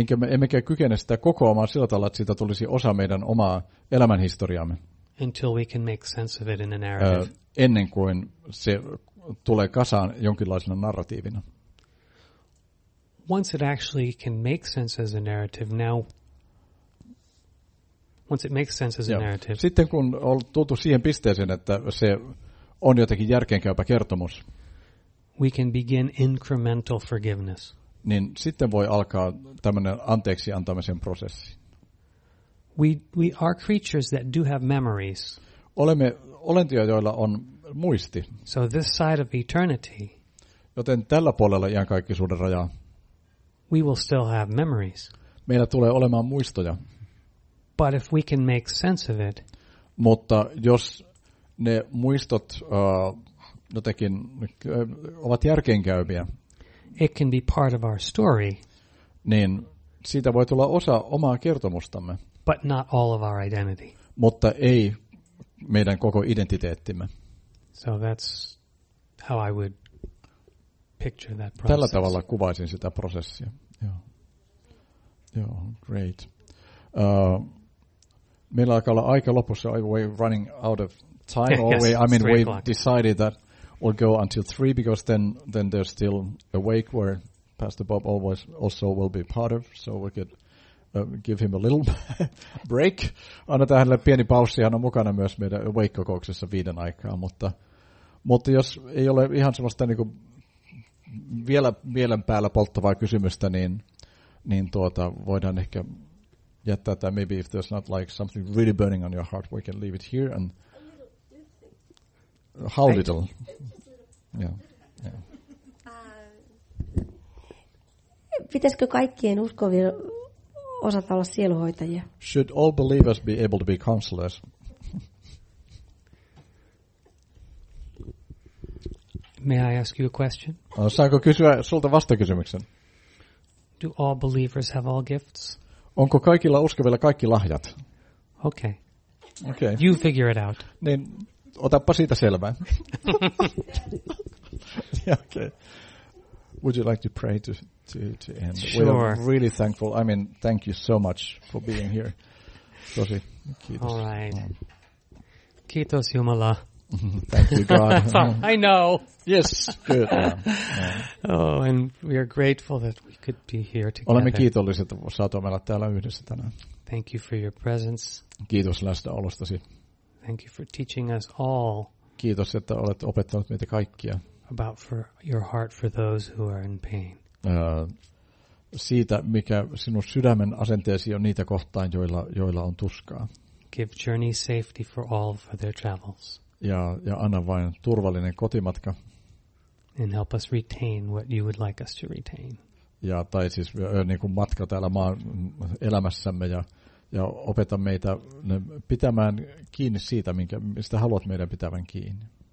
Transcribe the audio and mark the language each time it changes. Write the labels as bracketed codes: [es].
[fi] Emmekä kykene sitä kokoamaan sillä tavalla, että siitä tulisi osa meidän omaa elämänhistoriaamme. [en] Until we can make sense of it in a narrative. [fi] Ennen kuin se tulee kasaan jonkinlaisena narratiivina. [en] Once it actually can make sense as a narrative, now once it makes sense as a narrative. [fi] Sitten kun on tultu siihen pisteeseen, että se on jotenkin järkeenkäypä kertomus. [en] We can begin incremental forgiveness. [fi] Niin sitten voi alkaa tämmöinen anteeksi antamisen prosessi. [en] We are creatures that do have memories. [fi] Olemme olentoja, joilla on muisti. [en] So this side of eternity. [fi] Joten tällä puolella iankaikkisuuden rajaa. [en] We will still have memories. [fi] Meillä tulee olemaan muistoja. [en] But if we can make sense of it. [fi] Mutta jos ne muistot jotenkin ovat järkeenkäyviä. [en] It can be part of our story. [fi] Niin siitä voi tulla osa omaa kertomustamme. [en] But not all of our identity. [fi] Mutta ei meidän koko identiteettimme. [en] So that's how I would picture that process. [fi] Tällä tavalla kuvaisin sitä prosessia. Joo. Joo, great. Meillä alkaa olla aika lopussa. [en] We're running out of time. We've decided that we'll go until 3 because then there's still a wake where Pastor Bob always also will be part of, so we could give him a little break. [fi] Annetaan hänelle pieni paussi, hän on mukana myös meidän wake-kokouksessa 5 aikaa, mutta jos ei ole ihan semmoista niin kuin vielä mielen päällä polttavaa kysymystä, niin voidaan ehkä jättää tämä. [en] Maybe if there's not like something really burning on your heart, we can leave it here and how little? [fi] Pitäisikö kaikkien uskovien osata olla sieluhoitajia? [en] Should all believers be able to be counselors? May I ask you a question? [fi] Saanko kysyä sulta vastakysymyksen? [en] Do all believers have all gifts? [fi] Onko kaikilla uskovilla kaikki lahjat? [en] Okay. Okay. You figure it out. [fi] Niin otappa siitä selvää. [en] Okay. Would you like to pray to end? Sure. We are really thankful. I mean, thank you so much for being here. [fi] Tosi, kiitos. [en] All right. [fi] Kiitos Jumala. [en] Thank you, God. I know. Yes, good. Yeah. Oh, and we are grateful that we could be here together. [fi] Olemme kiitolliset, että saatoimme olla täällä yhdessä tänään. [en] Thank you for your presence. [fi] Kiitos läsnäolostasi. [en] Thank you for teaching us all. [fi] Kiitos, että olet opettanut meitä kaikkia. [en] About for your heart for those who are in pain. [fi] Siitä, mikä sinun sydämen asenteesi on niitä kohtaan, joilla on tuskaa. [en] Give journey safety for all for their travels. [fi] Ja anna vain turvallinen kotimatka. [en] And help us retain what you would like us to retain. [fi] Ja tai siis niin kuin matka täällä elämässämme ja opeta meitä pitämään kiinni siitä, mistä haluat meidän pitävän kiinni.